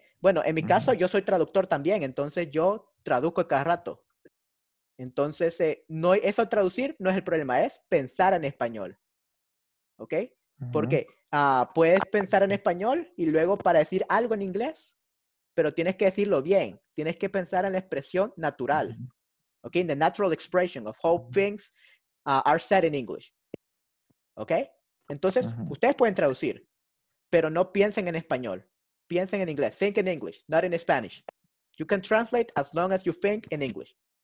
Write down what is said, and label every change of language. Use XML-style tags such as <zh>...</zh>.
<es>Bueno, en mi caso, yo soy traductor también, entonces yo traduzco cada rato. Entonces, no, eso traducir no es el problema, es pensar en español. ¿Ok? Porque puedes pensar en español y luego para decir algo en inglés, pero tienes que decirlo bien. Tienes que pensar en la expresión natural. ¿Ok?</es> <en>In the natural expression of how things are said in English.</en> <es>¿Ok? Entonces, ustedes pueden traducir, pero no piensen en español. Piensen en inglés.</es> <en>Think in English, not in Spanish. You can translate as long as you think in English.</en>